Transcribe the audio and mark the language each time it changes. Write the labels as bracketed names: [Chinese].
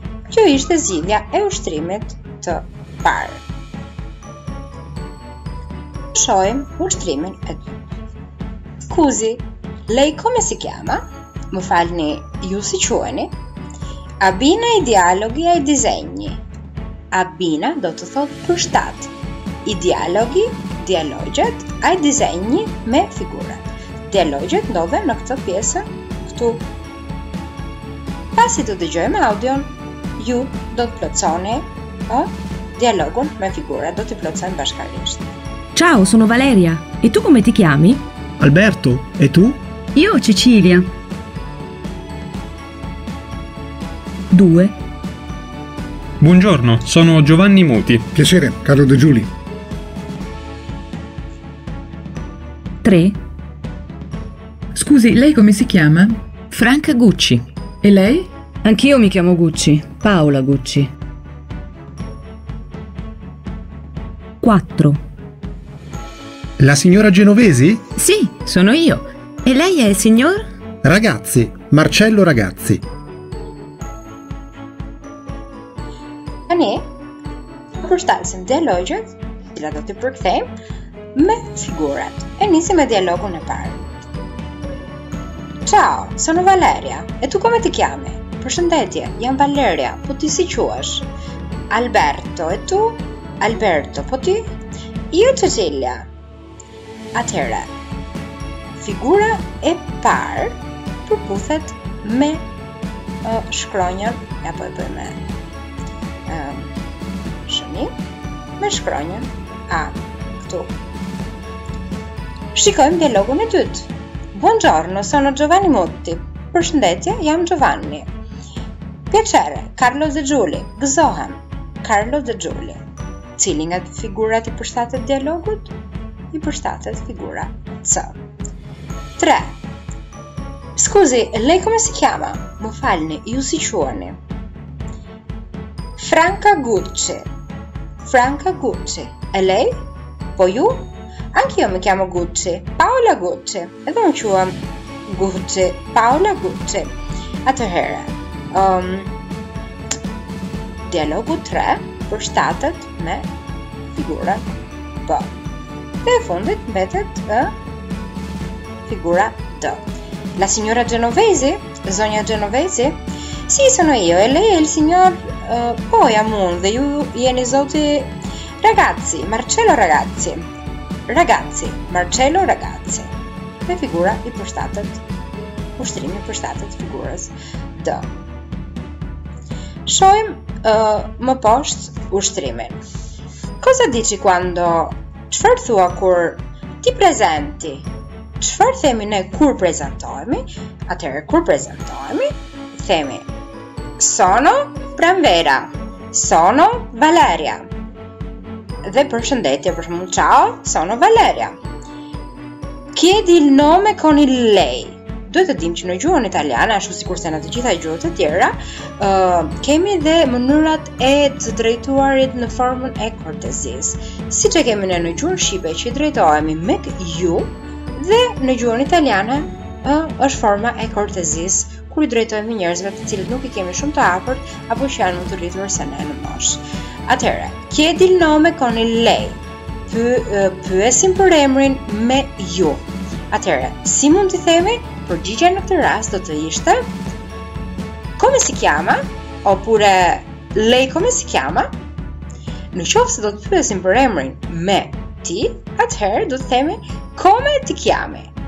[Albanian] Kjo ishte zgjidhja e ushtrimit të parë. Shohim ushtrimin e dytë. [Italian] Scusi, lei come si chiama? [Albanian] Më falni, ju si quheni? [Italian] Abbina i dialoghi ai disegni. [Albanian] Abbina do të thotë përshtat. I dialoghi, dialogjet, ai disegni me figurat. Dialogjet ndodhen në këtë pjesë, këtu. Pasi të dëgjojmë audion, ju do të plotësoni dialogun me figura, do të plotësojmë bashkarisht. [Italian] Ciao, sono Valeria. E tu come ti chiami? Alberto. E tu? Io, Cecilia. 2. Buongiorno, sono Giovanni Muti. Piacere, Carlo De Giuli. 3. Scusi, lei come si chiama? Franca Gucci. E lei? Anch'io mi chiamo Gucci, Paola Gucci. 4. La signora Genovesi? Sì, sono io. E lei è il signor? Ragazzi, Marcello Ragazzi. [Albanian] Tani, përshtalsim dialogjet, cila do t'i përkthejmë, me figurat. E nisim me dialogun e parë. [Italian] Ciao, sono Valeria. E tu come ti chiami? [Albanian] Përshëndetje, jam Valeria, po ti si quash? Alberto, [Italian] e tu? [Albanian] Alberto, po ti? [Italian] Io Cecilia. [Albanian] Atëherë, figura e parë përputhet me shkronjën, ja po e bëjmë shëni, me shkronjën A, këtu. Shikojmë dialogun e dytë. [Italian] Buongiorno, sono Giovanni Mutti. [Albanian] Përshëndetje, jam Giovanni. [Italian] Piacere, [Albanian] Carlo De Giuli. Gëzohem, Carlo De Giuli. Cili nga figurat i përshtatet dialogut? I përshtatet figura C. 3. [Italian] Scusi, lei come si chiama? [Albanian] Më falni, ju si quheni? Franca Gucci. Franca Gucci. [Italian] E lei? [Albanian] Po ju? [Italian] Anch'io mi chiamo Gucci, Paola Gucci. [Albanian] Edhe unë quhem Gucci, Paola Gucci. Atëherë, dialogu 3 përshtatet me figura B. Dhe e fundit mbetet figura D. [Italian] La signora Genovesi? [Albanian] Zonja [Italian] Genovesi? Si, sono io. E lei è il signor Poja Mun. [Albanian] Dhe ju jeni zoti [Italian] Ragazzi, Marcello Ragazzi. Ragazzi, Marcello Ragazzi. [Albanian] Dhe figura i përshtatet, ushtrimi përshtatet figurës D. Shohim më poshtë ushtrimin. [Italian] Cosa dici quando, [Albanian] çfarë thua kur ti prezenti? Çfarë themi ne kur prezentohemi? Atëherë kur prezentohemi, themi [Italian] sono pranvera, sono Valeria. [Albanian] Dhe përshëndetje, për shembull, [Italian] ciao, sono Valeria. Chiedi il nome con il lei. [Albanian] Duhet të dim që në gjuhën italiane, ashtu sikur se në të gjitha gjuhët e tjera, kemi dhe mënyrat e të drejtuarit në formën e kortezisë. Si që kemi ne në gjuhën shqipe që drejtohemi me ju, dhe në gjuhën italiane është forma e kortezisë kur i drejtohemi njerëzve të cilët nuk i kemi shumë të afërt apo që janë më të rritur se ne në moshë. [Italian] Atëherë, chiedi il nome con il lei. [Albanian] Pyesim për emrin me ju. Atëherë, si mund të themi? Përgjigja në këtë rast do të ishte [Italian] Come si chiama? Oppure Lei come si chiama? [Albanian] Në qoftë se do të pyesim për emrin me ti, atëherë do të themi [Italian] Come ti chiami?